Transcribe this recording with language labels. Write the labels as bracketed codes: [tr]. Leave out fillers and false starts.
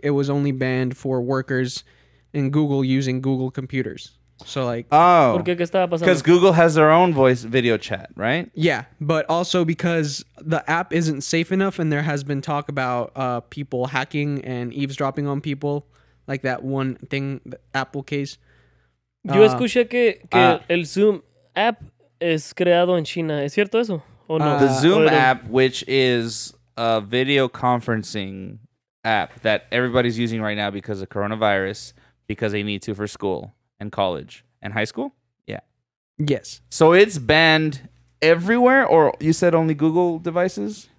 [en] It was only banned for workers in Google using Google computers. So, like... Oh. [es] ¿Por qué? ¿Qué estaba pasando? [en] Because Google has their own voice video chat, right? Yeah, but also because the app isn't safe enough and there has been talk about people hacking and eavesdropping on people, like that one thing, the Apple case. [es] Yo escuché que el Zoom app es creado en China. ¿Es cierto eso? ¿O no? [en] The Zoom app, which is a video conferencing app that everybody's using right now because of coronavirus, because they need to for school and college and high school? Yeah. Yes. So it's banned everywhere, or you said only Google devices?